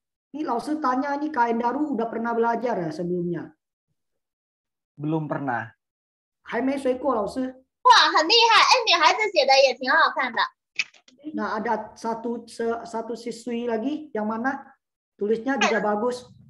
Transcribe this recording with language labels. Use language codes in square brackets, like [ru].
[id] Ini Lausi tanya, ini Kak Endaru udah pernah belajar ya sebelumnya? Belum pernah. [zh] 还没学过, Lausi? Wah, 很厉害, 女孩子写的也挺好看的。 [id] Nah, ada satu siswi lagi, yang mana tulisnya juga bagus.